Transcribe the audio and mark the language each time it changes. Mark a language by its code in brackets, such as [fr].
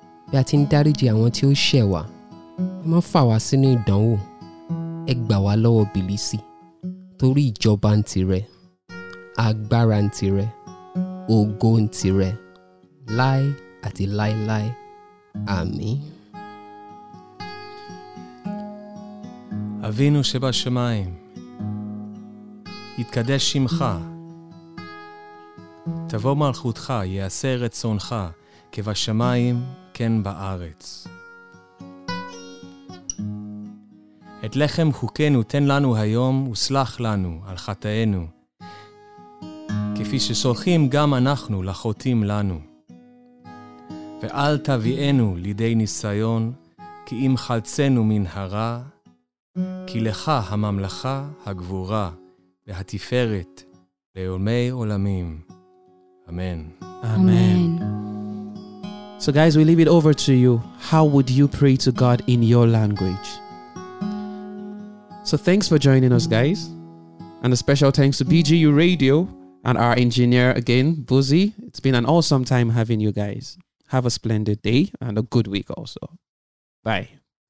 [yo] bi atin dari je awon ti o se wa mo fa wa sinu idanwo egba wa lowo bilisi tori ijoba ntire agbara ntire ogo ntire lai ati lai lai ami [he] avinu sheba shamayim itkadesh shimcha תבוא מלכותך, יעשה רצונך, כבשמיים, כן בארץ. את לחם חוקנו תן לנו היום, וסלח לנו על חטאינו, כפי שסולחים גם אנחנו לחוטאים לנו. ואל תביאנו לידי ניסיון, כי אם חלצנו מן הרע, כי לך הממלכה הגבורה, והתפארת לעולמי עולמים. Amen. Amen. [en] So guys, we leave it over to you. How would you pray to God in your language? So thanks for joining us, guys. And a special thanks to BGU Radio and our engineer again, Boozy. It's been an awesome time having you guys. Have a splendid day and a good week also. Bye.